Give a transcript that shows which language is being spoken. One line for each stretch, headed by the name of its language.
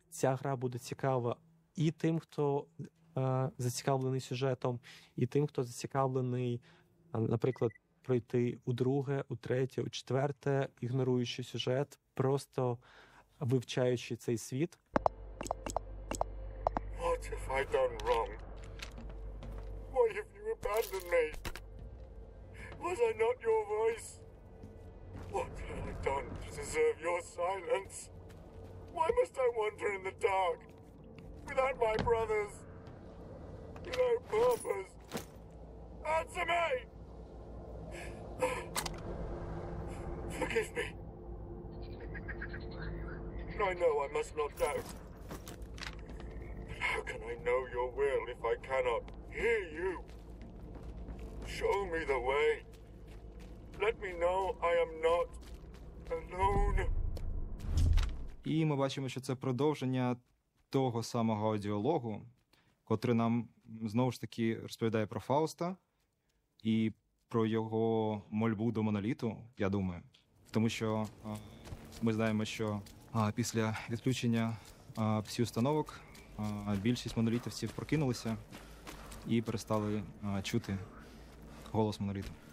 Ukrainian: Ця гра буде цікава і тим, хто зацікавлений сюжетом, і тим, хто зацікавлений, наприклад, пройти у друге, у третє, у четверте, ігноруючи сюжет, просто вивчаючи цей світ.
English: What have I done wrong? Why have you abandoned me? Was I not your voice? What have I done to deserve your silence? Why must I wander in the dark without my brothers? Without purpose? Answer me! Forgive me. I know I must not doubt. But how can I know your will if I cannot hear you? Show me the way. Let me know I am not alone.
Ukrainian: І ми бачимо, що це продовження того самого діалогу, котрий нам знову ж таки розповідає про Фауста і про його мольбу до Моноліту, я думаю. Тому що ми знаємо, що після відключення всіх установок більшість монолітівців прокинулися і перестали чути голос Моноліту.